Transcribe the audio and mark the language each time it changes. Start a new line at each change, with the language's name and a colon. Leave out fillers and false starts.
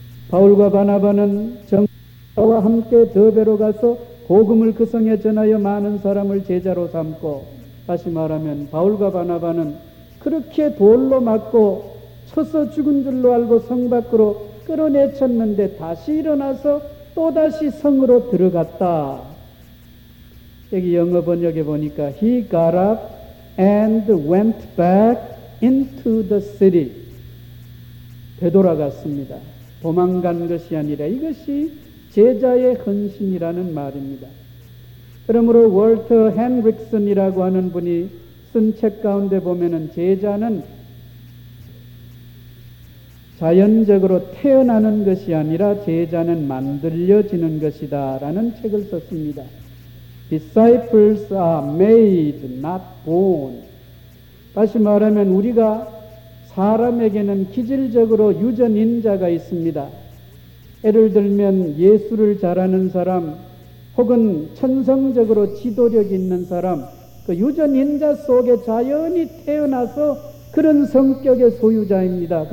Korean: 바울과 바나바는 정과와 함께 더베로 가서 복음을 그 성에 전하여 많은 사람을 제자로 삼고 다시 말하면 바울과 바나바는 그렇게 돌로 맞고 쳐서 죽은 줄로 알고 성 밖으로 끌어내쳤는데 다시 일어나서 또다시 성으로 들어갔다. 여기 영어 번역에 보니까
English: He got up and went back into the city.
Korean: 되돌아갔습니다. 도망간 것이 아니라 이것이 제자의 헌신이라는 말입니다. 그러므로 월터 헨릭슨이라고 하는 분이 쓴 책 가운데 보면은 제자는 자연적으로 태어나는 것이 아니라 제자는 만들어지는 것이다 라는 책을 썼습니다.
English: Disciples are made, not born.
Korean: 다시 말하면 우리가 사람에게는 기질적으로 유전인자가 있습니다. 예를 들면 예술을 잘하는 사람 혹은 천성적으로 지도력 있는 사람 그 유전인자 속에 자연히 태어나서 그런 성격의 소유자입니다.